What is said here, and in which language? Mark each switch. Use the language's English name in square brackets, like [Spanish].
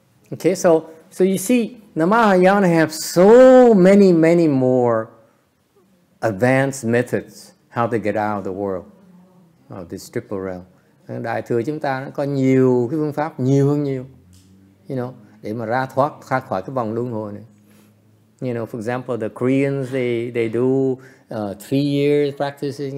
[English] Okay, so you see, the Mahayana have so many, many more advanced methods how to get out of the world, of this triple realm. [Vietnamese] Đại thừa chúng ta nó có nhiều cái phương pháp, nhiều hơn nhiều, you know, để mà ra thoát, thoát khỏi cái vòng luân hồi này. [English] You know, for example, the Koreans, they do 3 years practicing.